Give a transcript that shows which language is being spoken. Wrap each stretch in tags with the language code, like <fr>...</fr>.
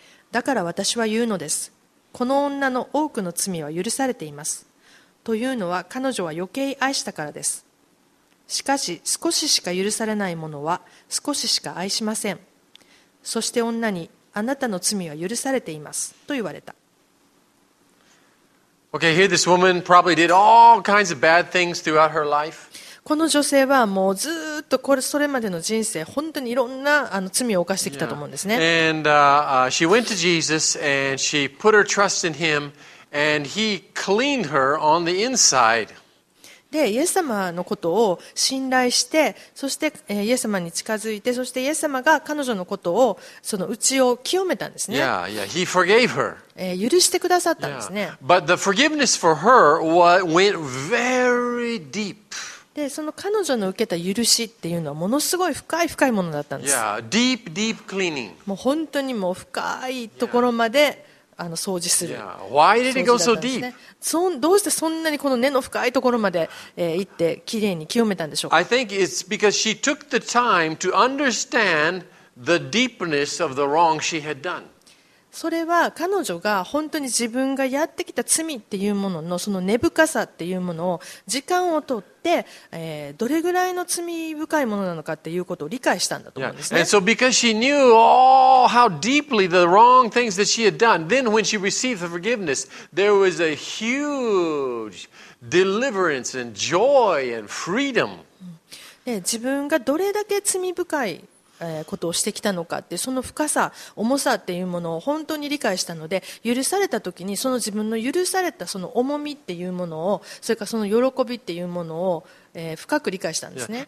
<ja>だから私は言うのです。この女の多くの罪は許されています。というのは彼女は余計愛したからです。しかし少ししか許されないものは少ししか愛しません。そして女にあなたの罪は許されていますと言われた。</ja> <en>Okay, here this woman probably did all kinds of bad things throughout her life.</en> <ja>この女性はもうずっとこれそれまでの人生本当にいろんなあの罪を犯してきたと思うんですね。</ja> <en>Yeah. And she went to Jesus and she put her trust in him and he cleaned her on the inside.</en> <ja>で、イエス様のことを信頼して、そしてイエス様に近づいて、そしてイエス様が彼女のことをその内を清めたんですね。</ja> <en>Yeah, yeah, he forgave her.</en> <ja>許してくださったんですね。</ja> <en>Yeah. But the forgiveness for her went very deep.</en> <ja>でその彼女の受けた許しっていうのはものすごい深い深いものだったんです。</ja> <en>Yeah, deep, deep cleaning.</en> <ja>もう本当にもう深いところまで、yeah. あの掃除する。</ja> <en>Yeah. Why did it go so deep?</en> <ja>どうしてそんなにこの根の深いところまで、行ってきれいに清めたんでしょうか。</ja> <en>I think it's because she took the time to understand the deepness of the wrong she had done.</en> <ja>それは彼女が本当に自分がやってきた罪っていうもののその根深さっていうものを時間をとって、どれぐらいの罪深いものなのかっていうことを理解したんだと思うんですね。</ja> <en>Yeah. And so because she knew all how deeply the wrong things that she had done, then when she received the forgiveness, there was a huge deliverance and joy and freedom.</en> <ja>で、自分がどれだけ罪深いことをしてきたのかってその深さ重さっていうものを本当に理解したので許された時にその自分の許されたその重みっていうものをそれからその喜びっていうものを深く理解したんですね。</ja>